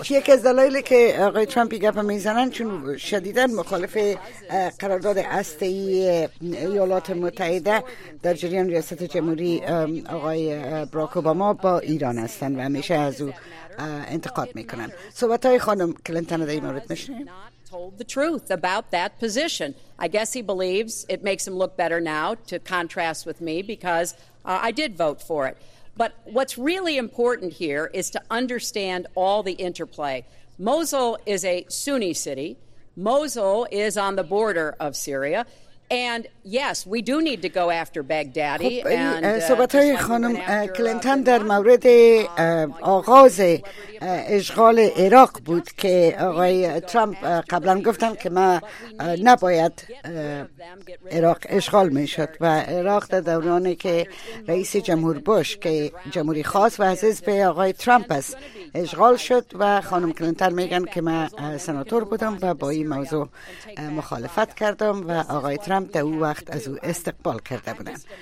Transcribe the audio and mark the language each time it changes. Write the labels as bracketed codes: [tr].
[fa] یکی از دلایلی که آقای ترامپ گپ میزنن چون شدیداً مخالف قرارداد هسته‌ای ایالات متحده در جریان ریاست جمهوری آقای براک اوباما با ایران هستن و همیشه از او انتقاد میکنن. صحبت های خانم کلینتون در این مورد میشنیم. [en] Told the truth about that position. I guess he believes it makes him look better now to contrast with me because I did vote for it. But what's really important here is to understand all the interplay. Mosul is a Sunni city. Mosul is on the border of Syria. And yes, we do need to go after Baghdadi. [fa] صحبت‌های خانم کلینتون در مورد آغاز اشغال عراق بود که آقای ترامپ قبلا گفتن که ما نباید عراق اشغال میشد و عراق در دورانی که رئیس جمهور بوش که جمهوری خاص و عزیز به آقای ترامپ است اشغال شد و خانم کلینتون میگن که من سناتور بودم و با این موضوع مخالفت کردم و آقای ترامپ در اون وقت از او استقبال کرده بودن